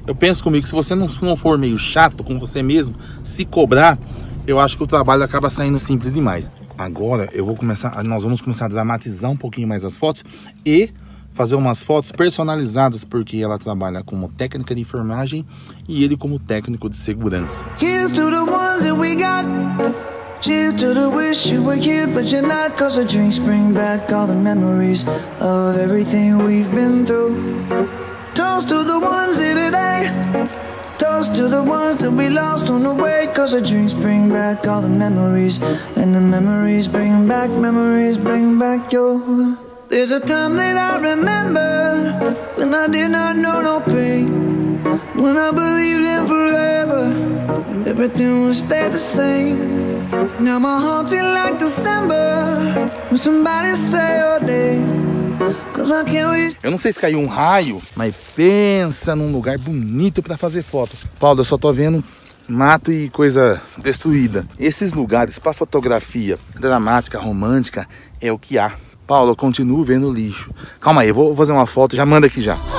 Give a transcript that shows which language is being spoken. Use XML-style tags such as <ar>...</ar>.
<pt>Eu penso comigo que se você não for meio chato com você mesmo, se cobrar, eu acho que o trabalho acaba saindo simples demais. Agora nós vamos começar a dramatizar um pouquinho mais as fotos e fazer umas fotos personalizadas, porque ela trabalha como técnica de enfermagem e ele como técnico de segurança.</pt> <en>Cheers to the ones that we got. Cheers to the wish you were here, but you're not, cause the drinks bring back all the memories of everything we've been through. Toast to the ones in today. Toast to the ones that we lost on the way, cause the dreams bring back all the memories, and the memories bring back your. There's a time that I remember, when I did not know no pain, when I believed in forever, and everything would stay the same. Now my heart feel like December, when somebody say your name.</en> <pt>Eu não sei se caiu um raio, mas pensa num lugar bonito para fazer foto. Paulo, eu só tô vendo mato e coisa destruída. Esses lugares para fotografia dramática, romântica, é o que há. Paulo, eu continuo vendo lixo. Calma aí, eu vou fazer uma foto, já manda aqui já.</pt>